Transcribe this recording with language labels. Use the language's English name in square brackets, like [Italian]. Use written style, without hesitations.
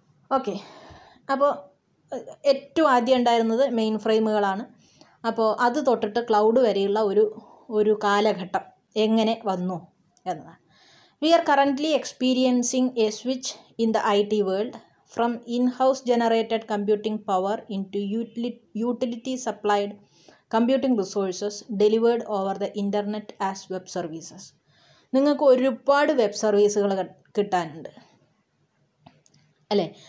[Malayalam] Okay, അപ്പോൾ ഏറ്റവും ആദ്യം ഉണ്ടായിരുന്നത് മെയിൻ ഫ്രെയിമുകളാണ്. അപ്പോൾ അത് തൊട്ടിട്ട് ക്ലൗഡ് വരെയുള്ള ഒരു കാലഘട്ടം എങ്ങനെ വന്നു എന്നതാണ്. [English] We are currently experiencing a switch in the I T world from in-house generated computing power into utility supplied computing resources delivered over the internet as web services. [Malayalam] നിങ്ങൾക്ക് ഒരുപാട് വെബ് സർവീസുകൾ കിട്ടാനുണ്ട് അല്ലേ.